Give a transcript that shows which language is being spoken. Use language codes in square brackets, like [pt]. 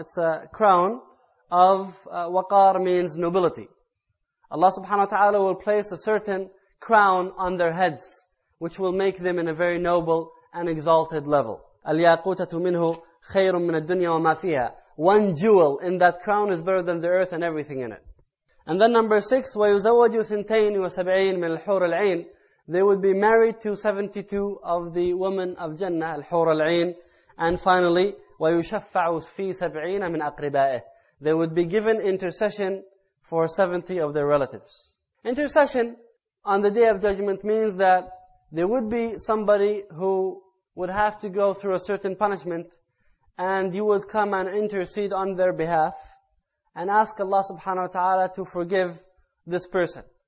[en] It's a crown of, waqar means nobility. Allah subhanahu wa ta'ala will place a certain crown on their heads, which will make them in a very noble and exalted level. [ar] الْيَاقُوتَةُ مِنْهُ خَيْرٌ مِنَ الدُّنْيَا وَمَا فِيهَا. [en] One jewel in that crown is better than the earth and everything in it. And then number six, [ar] وَيُزَوَّجُ ثِنْتَيْنِ وَسَبْعِينَ مِنَ الْحُورِ الْعَيْنِ. [en] They would be married to 72 of the women of Jannah, الحور العين. And finally, [ar] وَيُشَفَّعُ فِي سَبْعِينَ مِنْ أَقْرِبَائِهِ. [en] They would be given intercession for 70 of their relatives. Intercession on the Day of Judgment means that there would be somebody who would have to go through a certain punishment, and you would come and intercede on their behalf and ask Allah subhanahu wa ta'ala to forgive this person.